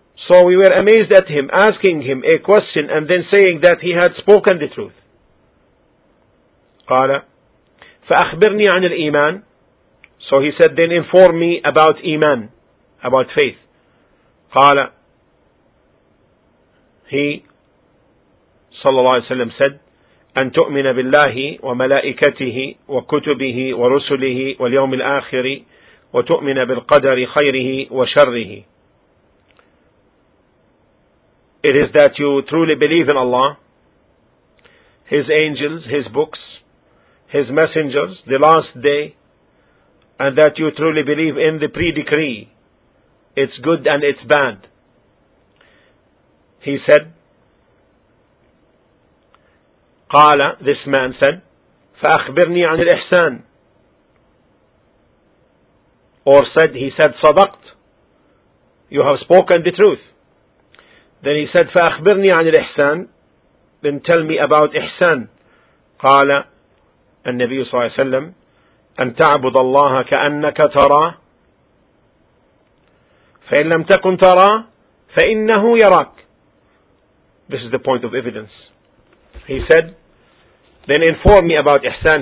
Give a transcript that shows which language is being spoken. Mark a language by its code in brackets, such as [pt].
[en] So we were amazed at him, asking him a question and then saying that he had spoken the truth. [ar] قال فأخبرني عن الإيمان. [en] So he said, then inform me about إيمان, about faith. [ar] قال, [en] he, [ar] صلى الله عليه وسلم, [en] said, [ar] أن تؤمن بالله وملائكته وكتبه ورسله واليوم الآخر وتؤمن بالقدر خيره وشره. [en] It is that you truly believe in Allah, His angels, His books, His messengers, the last day, and that you truly believe in the pre-decree, it's good and it's bad. He said, [ar] قال, [en] this man said, [ar] فأخبرني عن الإحسان. [en] Or said, he said, [ar] صدقت, [en] you have spoken the truth. Then he said, [ar] فأخبرني عن الإحسان. [en] Then tell me about إحسان. [ar] قال النبي صلى الله عليه وسلم, أن تعبد الله كأنك تراه, فإن لم تكن تراه فإنه يراك. [en] This is the point of evidence. He said, then inform me about إحسان.